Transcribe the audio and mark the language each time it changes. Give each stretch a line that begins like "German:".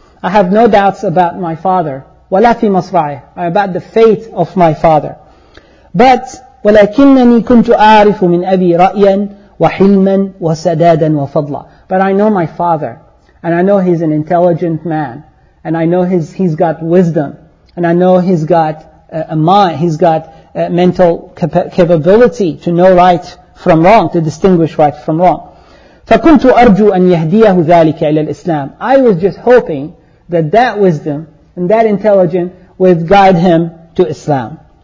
English: I have no doubts about my father.
Arabic: ولا في مصرعه.
English: About the fate of my father.
Arabic: But ولكنني كنت أعرف من أبي رأيا وحلما وسدادا وفضلا.
English: But I know my father, and I know he's an intelligent man, and I know he's got wisdom, and I know he's got a mind, he's got a mental capability to know right from wrong, to distinguish right from wrong.
Arabic: فَكُنْتُ أَرْجُوا أَنْ يَهْدِيَهُ ذَلِكَ إِلَى الْإِسْلَامِ.
English: I was just hoping that that wisdom and that intelligence would guide him to Islam.